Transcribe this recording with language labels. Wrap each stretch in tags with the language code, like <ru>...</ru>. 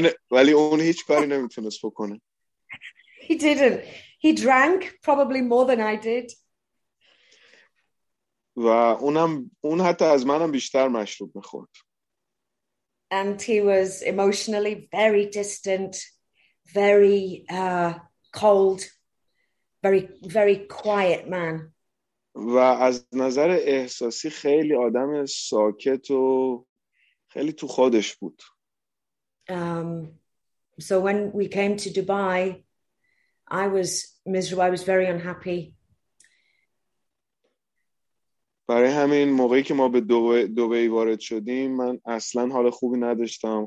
<fa>ولی اون هیچ کاری نمیتونست بکنه.</fa> <en>He didn't. He drank probably more than I did.</en> <fa>و اون حتی از منم بیشتر مشروب میخورد.</fa> <en>And he was emotionally very distant, very cold, very very quiet man.</en> <fa>و از نظر احساسی خیلی آدم ساکت و خیلی تو خودش بود.</fa> <en>So when we came to Dubai, I was miserable. I was very unhappy.</en> <fa>برای همین موقعی که ما به دبی وارد شدیم، من اصلا حال خوبی نداشتم.</fa>